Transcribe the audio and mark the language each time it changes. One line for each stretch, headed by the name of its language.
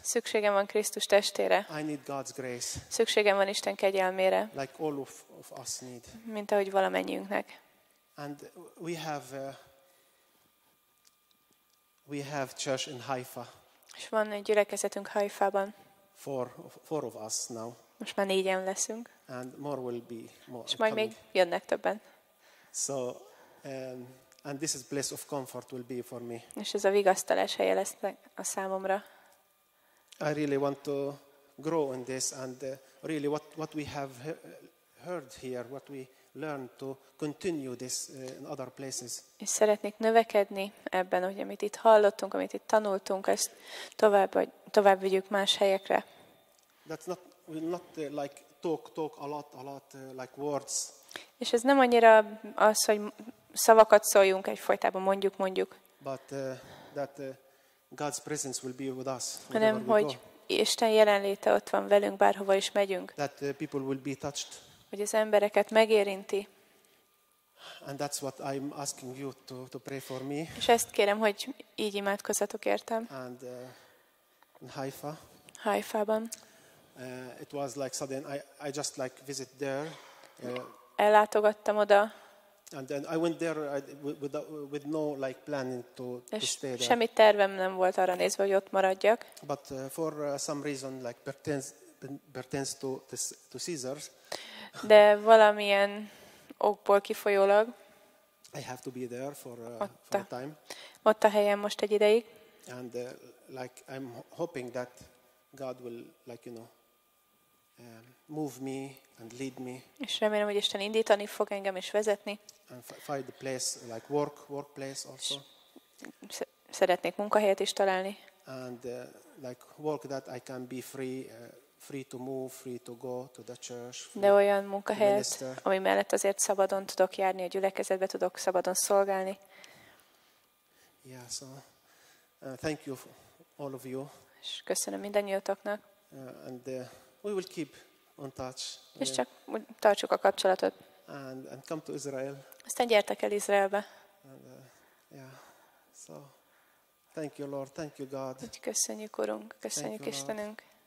Hungarian: Szükségem van Krisztus testére.
English: I need God's grace.
Hungarian: Szükségem van Isten kegyelmére.
English: Like all of us need.
Hungarian: Mint ahogy valamennyiünknek.
English: And we have church in Haifa.
Hungarian: És van egy gyülekezetünk Haifában.
English: Four of us now.
Hungarian: Most már négyen leszünk.
English: And more will be more.
Hungarian: És majd még jönnek többen.
English: So and this is place of comfort will be for me.
Hungarian: És ez a vigasztalás helye lesz a számomra.
English: I really want to grow in this and really what we have heard here, what we learned to continue this in other places.
Hungarian: És szeretnék növekedni ebben, hogy amit itt hallottunk, amit itt tanultunk, ezt tovább vigyük más helyekre.
English: That's not we'll not like talk a lot like words.
Hungarian: És ez nem annyira az, hogy szavakat szóljunk egyfolytában, mondjuk.
English: But that God's presence will be with us.
Hungarian: Hanem, hogy Isten jelenléte ott van velünk, bárhova is megyünk.
English: That people will be touched.
Hungarian: Hogy az embereket megérinti.
English: And that's what I'm asking you to pray for me.
Hungarian: És ezt kérem, hogy így imádkozzatok értem.
English: And in Haifa.
Hungarian: Haifában.
English: It was like sudden. I just like visit there.
Hungarian: Ellátogattam oda.
English: And then I went there with no like planning to stay there.
Hungarian: Semmi tervem nem volt arra nézve, hogy ott maradjak.
English: But for some reason like pertains to Caesar.
Hungarian: De valamilyen okból kifolyólag.
English: I have to be there for a time.
Hungarian: Ott a helyen most egy ideig.
English: And like I'm hoping that God will like you know move me and lead me.
Hungarian: És remélem, hogy Isten indítani fog engem és vezetni.
English: And find the place like workplace also.
Hungarian: Szeretnék munkahelyet is találni.
English: And like work that I can be free to move, free to go to the church.
Hungarian: De olyan munkahelyet, ami mellett azért szabadon tudok járni a gyülekezetbe, tudok szabadon szolgálni.
English: Yeah, so thank you all of you.
Hungarian: És köszönöm mindannyiatoknak.
English: We will keep on touch.
Hungarian: És csak tartsuk a kapcsolatot.
English: And come to Israel.
Hungarian: Aztán gyertek el Izraelbe.
English: So thank you Lord, thank you God.
Hungarian: Köszönjük Urunk, köszönjük Istenünk.